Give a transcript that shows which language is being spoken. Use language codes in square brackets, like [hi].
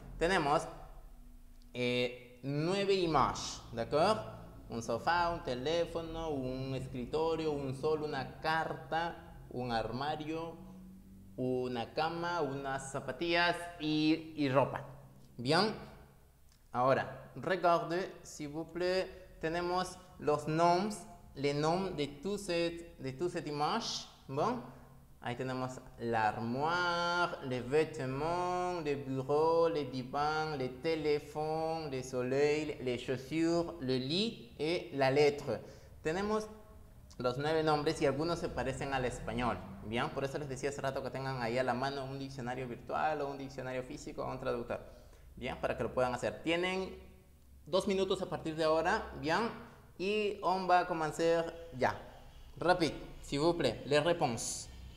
[es] Tenemos 9 imágenes, ¿de acuerdo? Un sofá, un teléfono, un escritorio, un sol, una carta, un armario, una cama, unas zapatillas y ropa. Bien, ahora, [fr] regarde, s'il vous plaît, [es] tenemos los [fr] noms, les noms de tous ces images. Bon, [es] ahí tenemos [fr] l'armoire, les vêtements, les bureaux, les divans, les téléphones, les soleils, les chaussures, le lit et la lettre. [es] Tenemos los 9 nombres y algunos se parecen al español. Bien, por eso les decía hace rato que tengan ahí a la mano un diccionario virtual o un diccionario físico o un traductor. Bien, para que lo puedan hacer. Tienen 2 minutos a partir de ahora. Bien, y [fr] on va [es] a comenzar ya. Rápido, [fr] s'il vous plaît, les réponses.